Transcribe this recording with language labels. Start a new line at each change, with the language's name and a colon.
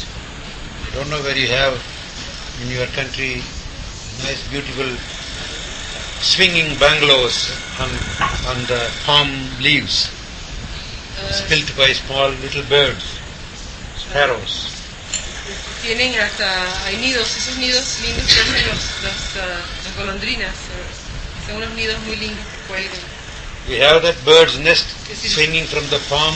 English: I don't know where you have in your country nice, beautiful swinging bungalows on the palm leaves, built by small little birds, sparrows.
Spanish: Tienen hasta hay nidos, esos nidos lindos que hacen las golondrinas. Son unos nidos muy lindos que cuelgan.
English: We have that bird's nest swinging from the palm